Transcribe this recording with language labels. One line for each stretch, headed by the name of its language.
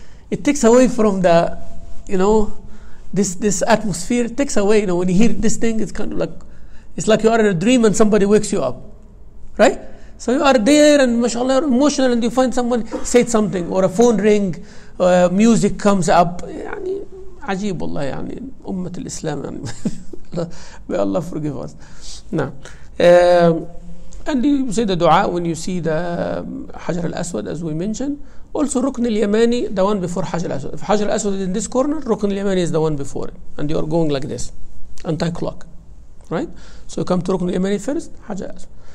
English: It takes away from the, you know, this atmosphere takes away. You know, when you hear this thing, it's kind of like, it's like you are in a dream and somebody wakes you up, right? So you are there and mashallah, you're emotional, and you find someone said something, or a phone ring, music comes up.
Arabic: يعني عجيب والله يعني أمة الإسلام يعني.
English: May Allah forgive us. And you say the dua when you see the Hajar al-Aswad, as we mentioned. Also Rukn al-Yamani, the one before Hajar al-Aswad. If Hajar al-Aswad is in this corner, Rukn al-Yamani is the one before it. And you are going like this, anti-clock, right? So you come to Rukn al-Yamani first, Hajar al-Aswad.